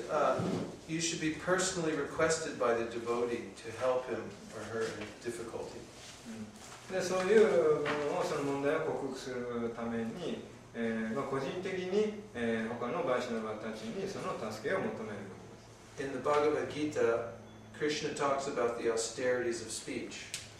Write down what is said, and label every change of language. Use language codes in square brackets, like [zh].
[en] And you should be personally requested by the devotee to help him or her in difficulty. [ja] で、そういうものを、その問題を克服するために、個人的に、他のバイシナバたちにその助けを求めるわけです。 [en] In the Bhagavad Gita, Krishna talks about the austerities of speech.